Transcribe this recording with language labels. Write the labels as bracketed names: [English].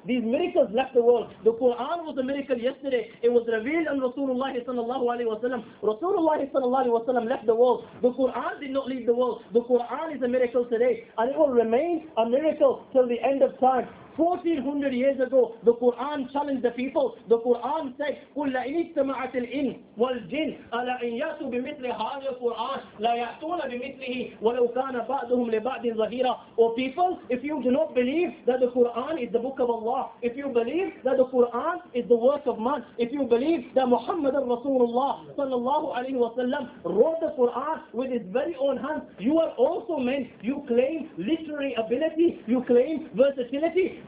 [English] These miracles left the world. The Quran was a miracle yesterday. It was revealed on Rasulullah sallallahu alayhi wasallam. Rasulullah sallallahu alayhi wasallam left the world. The Quran did not leave the world. The Quran is a miracle today, and it will remain a miracle till the end of time. 1400 years ago, the Quran challenged the people. [Arabic] The Quran said, قُلْ لَإِنِ اجْتَمَعَتِ الْإِنِ وَالْجِنِ أَلَا إِنْ يَأْتُوا بِمِثْلِ هَذَا الْقُرْآنِ لَا يَأْتُونَ بِمِثْلِهِ وَلَوْ كَانَ بَعْضُهُمْ لِبَعْضٍ ظَهِيرًا. [English] O people, if you do not believe that the Quran is the book of Allah, if you believe that the Quran is the work of man, if you believe that Muhammad Rasulullah sallallahu alayhi wa sallam wrote the Quran with his very own hands, you are also men. You claim literary ability, you claim versatility.